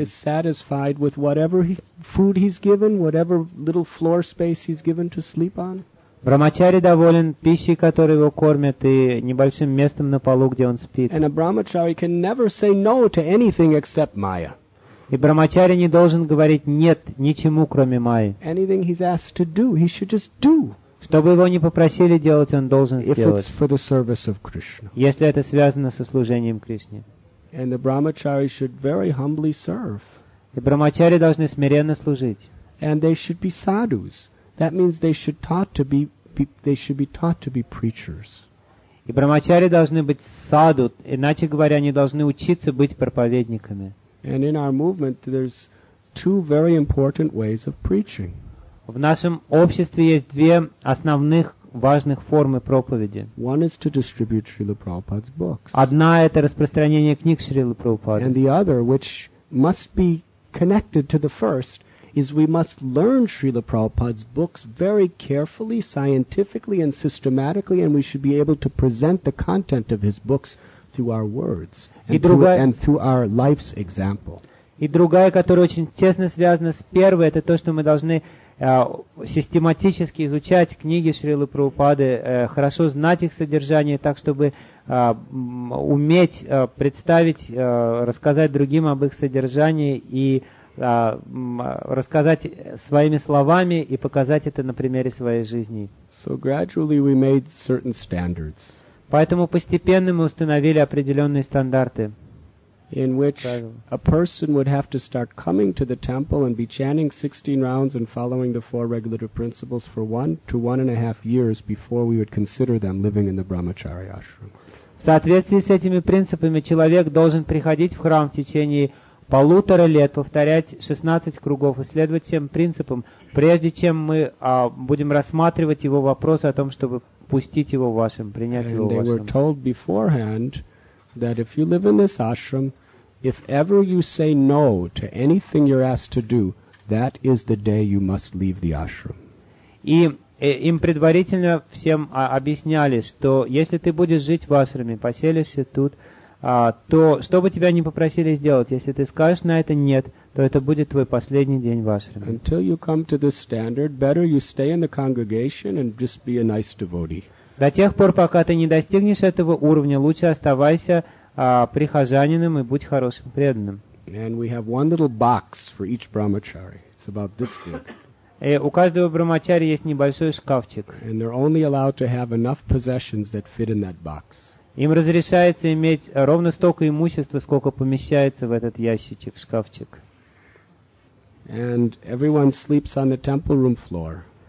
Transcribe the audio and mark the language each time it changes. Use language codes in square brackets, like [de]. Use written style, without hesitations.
[en] Brahmachari is satisfied with whatever food he's given, whatever little floor space he's given to sleep on. [ru] Брахмачари доволен пищей, которую его кормят, и небольшим местом на полу, где он спит. [en] And a brahmachari can never say no to anything except maya. [ru] И брахмачари не должен говорить «нет» ничему, кроме майи. [en] Anything he's asked to do, he should just do. [ru] Что бы его ни попросили делать, он должен [en] if [ru] сделать. [en] It's for the service of Krishna. [ru] Если это связано со служением Кришне. [en] And the brahmachari should very humbly serve. [ru] И брахмачари должны смиренно служить. [en] And they should be sadhus. That means they should be taught to be preachers. [ru] И брахмачари должны быть саду, иначе говоря, они должны учиться быть проповедниками. [en] And in our movement, there's two very important ways of preaching. [ru] В нашем обществе есть две основных важных формы проповеди. [en] One is to distribute Srila Prabhupada's books. [ru] Одна — это распространение книг Шрилы Прабхупады. [en] And the other, which must be connected to the first, is we must learn Srila Prabhupada's books very carefully, scientifically, and systematically, and we should be able to present the content of his books through our words and through our life's example. [ru] И другая, которая очень тесно связана с первой, это то, что мы должны систематически изучать книги Шрилы Прабхупады, хорошо знать их содержание, так чтобы уметь представить, рассказать другим об их содержании и рассказать своими словами и показать это на примере своей жизни. [en] So gradually we made certain standards. [ru] Поэтому постепенно мы установили определенные стандарты. [en] In which a person would have to start coming to the temple and be chanting 16 rounds and following the four regulative principles for 1 to 1.5 years before we would consider them living in the brahmachari ashram. [ru] В соответствии с этими принципами человек должен приходить в храм в течение полутора лет, повторять 16 кругов и следовать всем принципам, прежде чем мы будем рассматривать его вопросы о том, чтобы пустить его в вашем, принять его в вашем. [en] And they were told beforehand that if you live in this ashram, if ever you say no to anything you're asked to do, that is the day you must leave the ashram. [ru] И им предварительно всем объясняли, что если ты будешь жить в ашраме, поселишься тут, то что бы тебя ни попросили сделать, если ты скажешь на это «нет», то это будет твой последний день в ашраме. [en] Until you come to this standard, better you stay in the congregation and just be a nice devotee. [ru] До тех пор, пока ты не достигнешь этого уровня, лучше оставайся прихожанином и будь хорошим преданным. [en] And we have one little box for each brahmachari. It's about this big. [ru] И у каждого брахмачари есть небольшой шкафчик. [en] And they're only allowed to have enough possessions that fit in that box. [ru] Им разрешается иметь ровно столько имущества, сколько помещается в этот ящичек, шкафчик. [en] And everyone sleeps on the temple room floor.